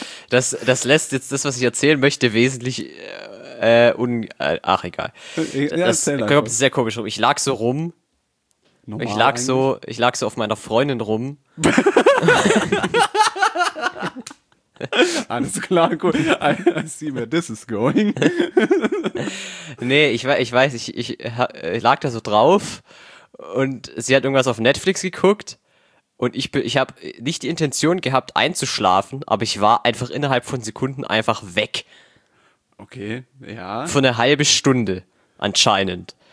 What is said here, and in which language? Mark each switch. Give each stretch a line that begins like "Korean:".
German: Das lässt jetzt das, was ich erzählen möchte, wesentlich. Egal. Ja, das kommt sehr komisch rum. Ich lag so rum. Normal ich lag so auf meiner Freundin rum. Alles klar, gut.
English: I see where this is going.
German: Nee, ich lag da so drauf und sie hat irgendwas auf Netflix geguckt. Und ich habe nicht die Intention gehabt, einzuschlafen, aber ich war einfach innerhalb von Sekunden einfach weg. Okay, ja. Für eine halbe Stunde anscheinend.